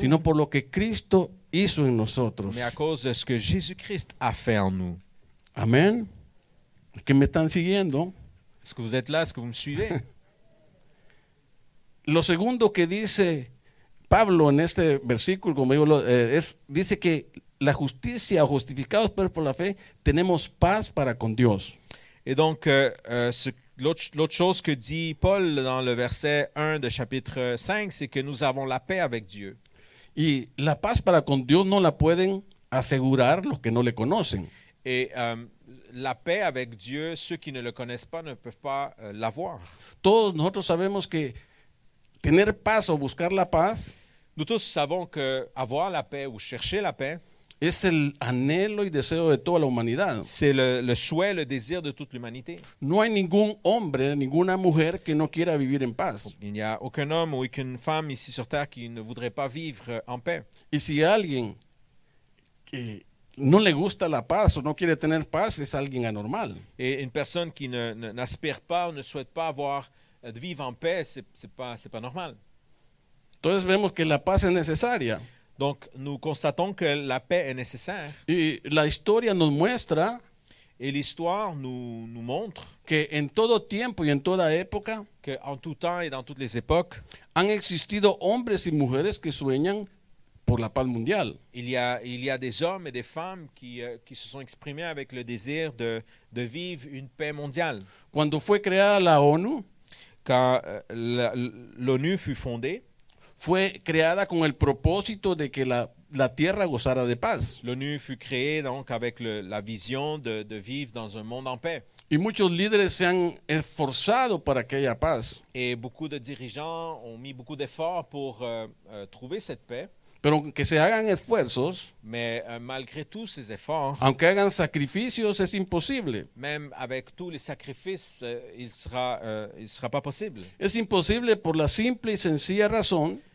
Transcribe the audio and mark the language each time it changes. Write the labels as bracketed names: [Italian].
[Spanish] sino por lo que Cristo hizo en nosotros, [French] mais à cause de ce que Jésus-Christ a fait en nous. [Spanish] Amén. ¿Que me están siguiendo? [French] Est-ce que vous êtes là? Est-ce que vous me suivez? [Spanish] Lo segundo que dice Pablo en este versículo, como digo, dice que la justicia, o justificados por la fe, tenemos paz para con Dios. [French] Et donc, l'autre chose que dit Paul dans le verset 1 de chapitre 5, c'est que nous avons la paix avec Dieu. [Spanish] Y la paz para con Dios no la pueden asegurar los que no le conocen. [French] Et la paix avec Dieu, ceux qui ne le connaissent pas ne peuvent pas l'avoir. [Spanish] Todos nosotros sabemos que tener paz o buscar la paz, [French] nous tous savons que avoir la paix ou chercher la paix, [Spanish] es el anhelo y deseo de toda la humanidad. [French] C'est le souhait, le désir de toute l'humanité. [Spanish] No hay ningún hombre, ninguna mujer que no quiera vivir en paz. [French] Il n'y a aucun homme ou aucune femme ici sur terre qui ne voudrait pas vivre en paix. [Spanish] Y si alguien que no le gusta la paz o no quiere tener paz, es alguien anormal. [French] Et une personne qui n'aspire pas ou ne souhaite pas avoir de vivre en paix, c'est pas normal. [Spanish] Entonces vemos que la paz es necesaria. [French] Donc nous constatons que la paix est nécessaire. [Spanish] Y la historia nos muestra, [French] et l'histoire nous montre, [Spanish] que en todo tiempo y en toda época, [French] que en tout temps et dans toutes les époques, [Spanish] han existido hombres y mujeres que sueñan por la paz mundial. [French] Il y a des hommes et des femmes qui se sont exprimés avec le désir de vivre une paix mondiale. [Spanish] Cuando fue creada la ONU, [French] quand l'ONU fut fondée, [Spanish] fue creada con el propósito de que la tierra gozara de paz. [French] L'ONU fut créée donc avec la vision de vivre dans un monde en paix. [Spanish] Y muchos líderes se han esforzado para que haya paz. [French] Et beaucoup de dirigeants ont mis beaucoup d'efforts pour trouver cette paix. [Spanish] Pero que se hagan esfuerzos, [French] mais malgré tous ces efforts, [Spanish] aunque hagan sacrificios, es imposible. [French] Même avec tous les sacrifices, il sera pas possible. [Spanish] Es imposible por la simple y sencilla razón,